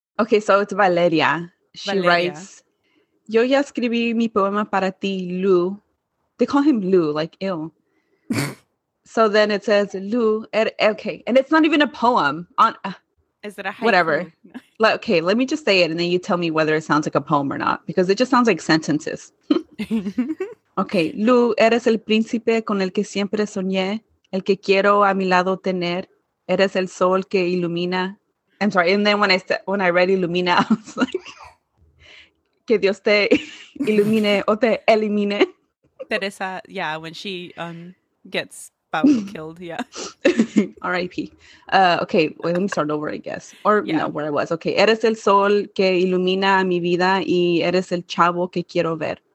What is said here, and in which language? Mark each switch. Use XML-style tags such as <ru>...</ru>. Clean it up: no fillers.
<en>Okay, so it's Valeria. She writes,</en> <es>yo ya escribí mi poema para ti, Lu.</es> <en>They call him Lu, like, ew. So then it says, Lu, okay. And it's not even a poem. Is it a haiku? Whatever. Okay, let me just say it, and then you tell me whether it sounds like a poem or not, because it just sounds like sentences.</en> <es>Okay, Lu, eres el príncipe con el que siempre soñé, el que quiero a mi lado tener, eres el sol que ilumina.</es> <en>I'm sorry, and then when I read ilumina, I was like,</en> <es>que Dios te ilumine o te elimine.</es> <en>Teresa, yeah, when she gets about killed, yeah. R.I.P. Okay, well, let me start over, I guess. Or, yeah. No, where I was.</en> <es>Okay, eres el sol que ilumina mi vida y eres el chavo que quiero ver.</es>